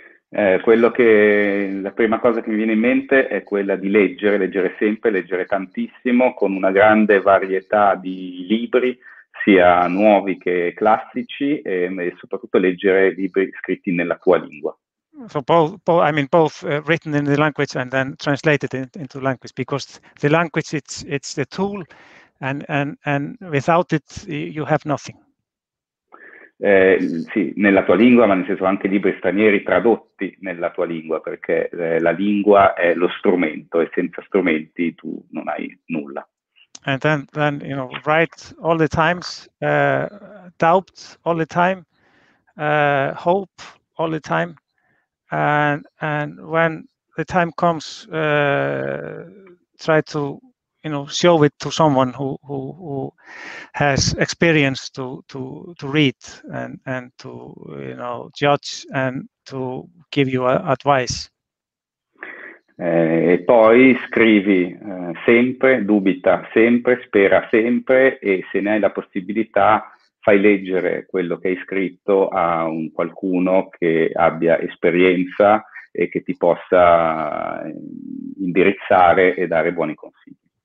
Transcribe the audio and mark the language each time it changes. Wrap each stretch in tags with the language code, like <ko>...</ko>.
<it>Quello che la prima cosa che mi viene in mente è quella di leggere, leggere sempre, leggere tantissimo, con una grande varietà di libri, sia nuovi che classici, e soprattutto leggere libri scritti nella tua lingua.</it> <en>So both written in the language and then translated into language, because the language it's the tool, and without it you have nothing.</en> <it>Sì, nella tua lingua, ma nel senso anche libri stranieri tradotti nella tua lingua, perché la lingua è lo strumento e senza strumenti tu non hai nulla.</it> <en>And then you know, write all the times, doubt all the time, hope all the time, and when the time comes, try to, you know, show it to someone who has experience to read and to, you know, judge and to give you advice.</en> <it>E poi scrivi sempre, dubita sempre, spera sempre, e se ne hai la possibilità fai leggere quello che hai scritto a un qualcuno che abbia esperienza e che ti possa indirizzare e dare buoni consigli.</it>